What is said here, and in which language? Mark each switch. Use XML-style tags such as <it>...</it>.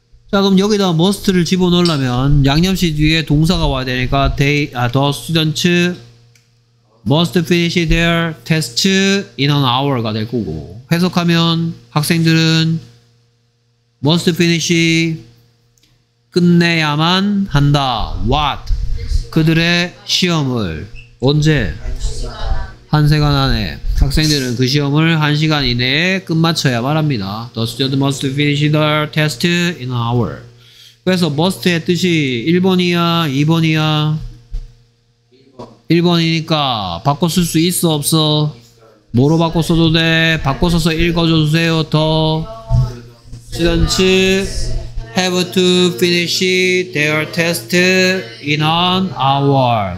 <ko>자 그럼 여기다 must를 집어넣으려면 양념시 뒤에 동사가 와야 되니까</ko> <en>the students must finish their test in an hour</en> <ko>가 될 거고 해석하면 학생들은</ko> <en>must finish</en> <ko>끝내야만 한다.</ko> <en>What?</en> <ko>그들의 시험을 언제? 한 시간 안에. 학생들은 그 시험을 한 시간 이내에 끝마쳐야 말합니다.</ko> <en>The student must finish their test in an hour.</en> <ko>그래서 must의 뜻이 1번이야? 2번이야? 1번이니까 바꿔 쓸 수 있어? 없어? 뭐로 바꿔 써도 돼? 바꿔 써서 읽어줘주세요.</ko> <en>The students have to finish their test in an hour.</en>